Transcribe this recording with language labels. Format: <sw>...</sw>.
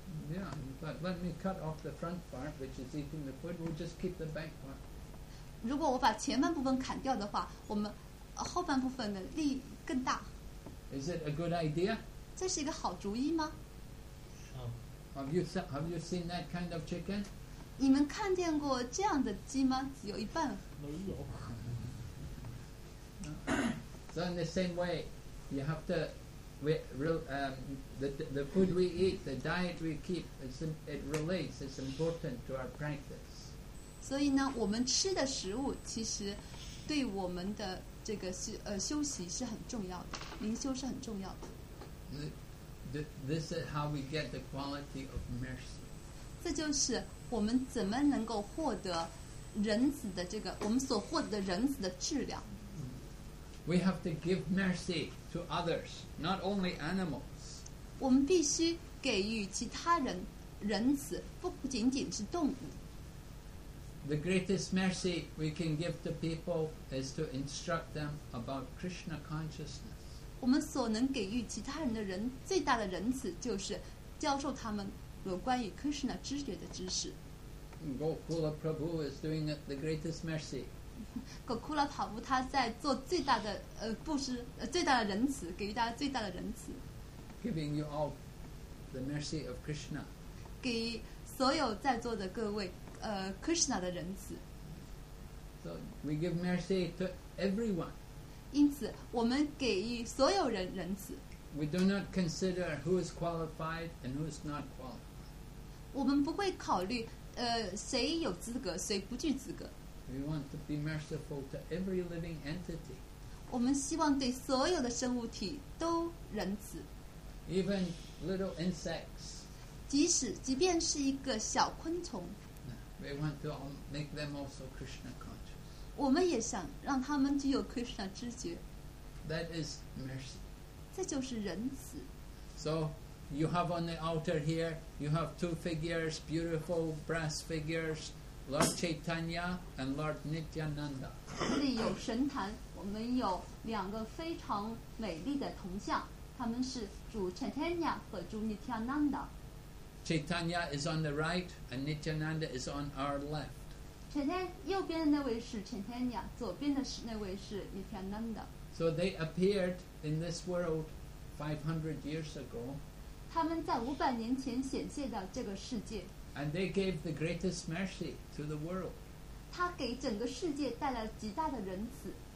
<en>Yeah, but let me cut off the front part, which is eating the food. We'll just keep the back part.</en> <zh>如果我把前半部分砍掉的话，我们后半部分的利益更大。</zh> <en>Is it a good idea?</en> <zh>这是一个好主意吗？</zh> <en>Have you seen that kind of chicken?</en> <zh>你们看见过这样的鸡吗？只有一半。没有。</zh> <en>So in the same way, you have to, the food we eat, the diet we keep, it relates, it's important to our practice.</en> <zh>所以呢，我们吃的食物其实对我们的这个休息是很重要的，灵修是很重要的。</zh> <en>This is how we get the quality of mercy.</en> <zh>这就是我们怎么能够获得仁慈的这个我们所获得的仁慈的质量。</zh> <en>We have to give mercy to others, not only animals.</en> <zh>我们必须给予其他人仁慈，不仅仅是动物。</zh> <en>The greatest mercy we can give to people is to instruct them about Krishna consciousness.</en> <zh>我们所能给予其他人的人最大的仁慈，就是教授他们有关于 Krishna 知觉的知识。</zh> <en>Gokula Prabhu is doing it the greatest mercy.</en> <zh>Gokula Prabhu 他在做最大的布施最大的仁慈给予大家最大的仁慈</zh> <en>giving you all the mercy of Krishna</en> <zh>给所有在座的各位Krishna 的仁慈</zh> <en>so we give mercy to everyone</en> <zh>因此我们给予所有人仁慈</zh> <en>we do not consider who is qualified and who is not qualified</en> <zh>我们不会考虑谁有资格谁不具资格</zh> <en>We want to be merciful to every living entity.</en> <zh>我们希望对所有的生物体都仁慈。</zh> <en>Even little insects.</en> <zh>即便是一个小昆虫。</zh> <en>We want to make them also Krishna conscious.</en> <zh>我们也想让他们具有 Krishna 知觉。</zh> <en>That is mercy.</en> <zh>这就是仁慈。</zh> <en>So you have on the altar here, you have two figures, beautiful brass figures. Lord Chaitanya and Lord Nityananda.</en> <zh>这里有神坛，我们有两个非常美丽的铜像，他们是主 Chaitanya 和主 Nityananda.</zh> <en>Chaitanya is on the right, and Nityananda is on our left.</en> <zh>Chaitanya 右边的那位是 Chaitanya， 左边的那位是 Nityananda.</zh> <en>So they appeared in this world 500 years ago.</en> <zh>他们在五百年前显现到这个世界。</zh> <en>And they gave the greatest mercy to the world.</en> <zh>他给整个世界带来极大的仁慈。</zh>